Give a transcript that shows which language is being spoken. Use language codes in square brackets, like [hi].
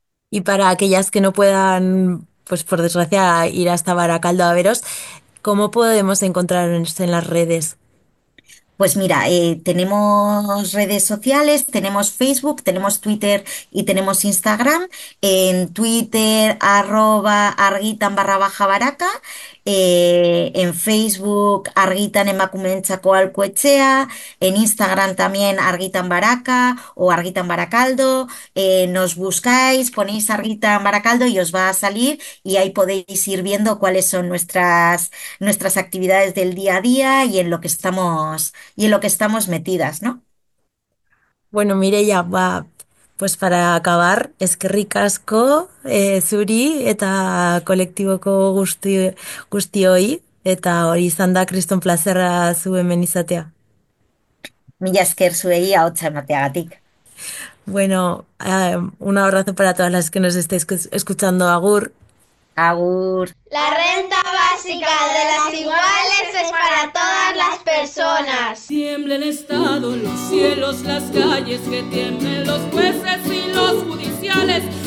[es] Y para aquellas que no puedan, pues por desgracia, ir hasta Baracaldo a veros, ¿cómo podemos encontrarnos en las redes? Pues mira, tenemos redes sociales, tenemos Facebook, tenemos Twitter y tenemos Instagram. En Twitter, @argitan/baraka. En Facebook, argitanemakumeentzakoaholkuetxea. En Instagram también, argitanbaraka o argitanbarakaldo. Nos buscáis, ponéis argitanbarakaldo y os va a salir. Y ahí podéis ir viendo cuáles son nuestras actividades del día a día y en lo que estamos. Y en lo que estamos metidas, ¿no? Bueno, Mireia, va, pues para acabar, [eu] eskerrik asko zuri eta kolektiboko guztioi, eta hori izan da kriston plazerra zu hemen izatea. Mila esker zuei ahotsa emateagatik. [es] Bueno, un abrazo para todas las que nos estáis escuchando, agur. Agur. La renta básica de las iguales es para todas las personas. Tiemble el Estado, los cielos, las calles, que tiemblen los jueces y los judiciales.